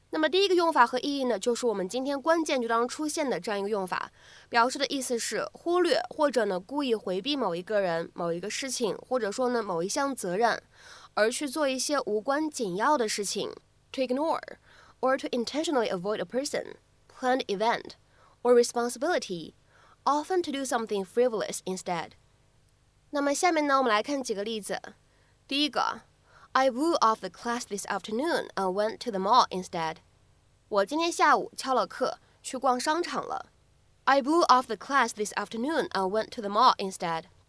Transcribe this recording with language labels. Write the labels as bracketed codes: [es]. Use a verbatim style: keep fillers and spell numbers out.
[zh] 那么第一个用法和意义呢，就是我们今天关键句当中出现的这样一个用法，表示的意思是忽略或者呢故意回避某一个人、某一个事情，或者说呢某一项责任，而去做一些无关紧要的事情。 [en] To ignore or to intentionally avoid a person. Planned event or responsibility, often to do something frivolous instead. [zh] 那么下面呢，我们来看几个例子。第一个 [en] ，I blew off the class this afternoon and went to the mall instead. [zh] 我今天下午翘了课，去逛商场了。 [en] I blew off the class this afternoon and went to the mall instead.